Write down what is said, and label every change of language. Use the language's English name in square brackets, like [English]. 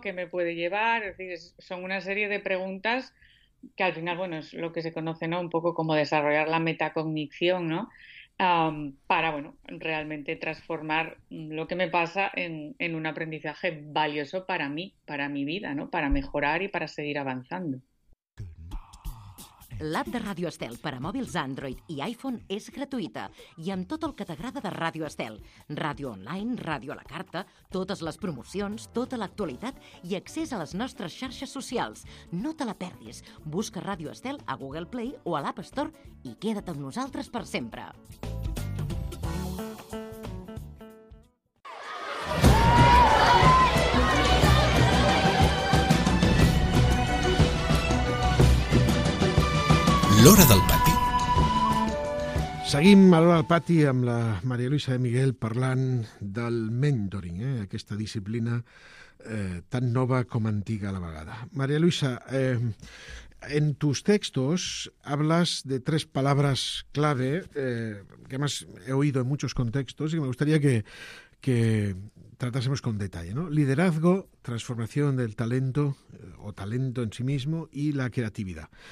[Spanish] ¿Qué me puede llevar? Es decir, son una serie de preguntas que al final, bueno, es lo que se conoce, ¿no? Un poco como desarrollar la metacognición, ¿no? Para, bueno, realmente transformar lo que me pasa en un aprendizaje valioso para mí, para mi vida, ¿no? Para mejorar y para seguir avanzando. [Catalan] L'app de Ràdio Estel per a mòbils Android i iPhone és gratuïta i amb tot el que t'agrada de Ràdio Estel. Ràdio online, ràdio a la carta, totes les promocions, tota l'actualitat i accés a les nostres xarxes socials. No te la perdis. Busca Ràdio Estel a Google Play o a l'App Store i queda't amb nosaltres per sempre. L'hora del pati. Seguim a l'hora del pati amb la Maria Luisa de Miguel parlant del mentoring, aquesta disciplina tan nova com antiga a la vegada. [Spanish] Maria Luisa, en tus textos hablas de tres palabras clave que más he oído en muchos contextos y que me gustaría que tratásemos con detalle, ¿no? Liderazgo, transformación del talento o talento en sí mismo y la creatividad.